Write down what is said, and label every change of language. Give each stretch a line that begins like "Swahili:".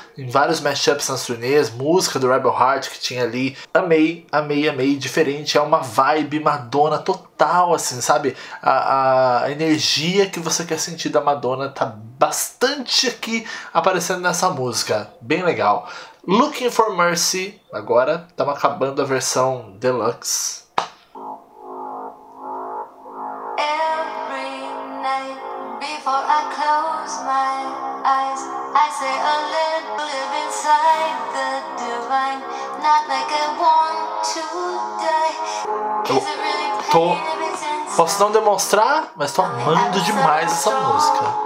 Portuguese: Em vários mashups nas turnês, música do Rebel Heart que tinha ali, amei, amei, amei, diferente, é uma vibe Madonna total, assim, sabe? A energia que você quer sentir da Madonna tá bastante aqui aparecendo nessa música. Bem legal. Looking for Mercy. Agora estamos acabando a versão deluxe.
English: Every night before I close my eyes, I say a little, live inside the divine. Not like I want to die. Is it really painful?
Portuguese: Tô, posso não demonstrar, mas tô amando demais essa música.